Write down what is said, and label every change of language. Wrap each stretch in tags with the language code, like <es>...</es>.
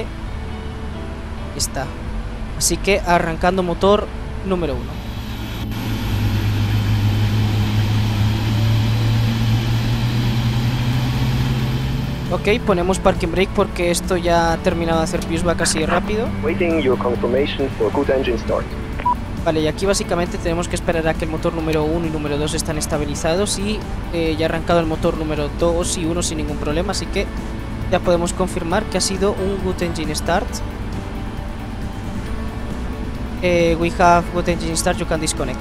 <es>Ahí está. Así que arrancando motor número 1. Ok, ponemos parking brake porque esto ya ha terminado de hacer pushback así rápido.</es> <en>Waiting your confirmation for good engine start.</en> <es>Vale, y aquí básicamente tenemos que esperar a que el motor número 1 y número 2 están estabilizados y ya ha arrancado el motor número 2 y 1 sin ningún problema, así que ya podemos confirmar que ha sido un</es> <en>good engine start. We have good engine start, you can disconnect.</en>